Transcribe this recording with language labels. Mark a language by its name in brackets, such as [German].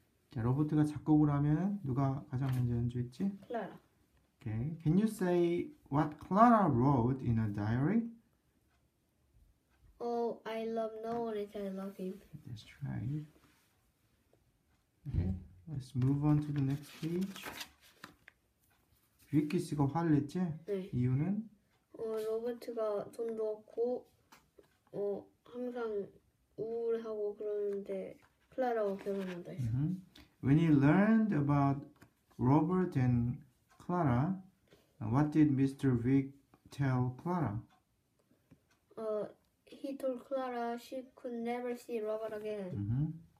[Korean] 자, 로버트가 작곡을 하면 누가 가장 먼저 연주했지? [English] Clara. Okay. Can you say what Clara wrote in a diary? Oh, I love no one and I love him. That's right. Okay, let's move on to the next page. [Korean] 위키 씨가 화를 냈지? 네. 이유는? 로버트가 돈도 없고, 항상 우울하고 그러는데, 클라라와 결혼한다 했어. [English] When he learned about Robert and Clara, what did Mr. Vic tell Clara? He told Clara she could never see Robert again.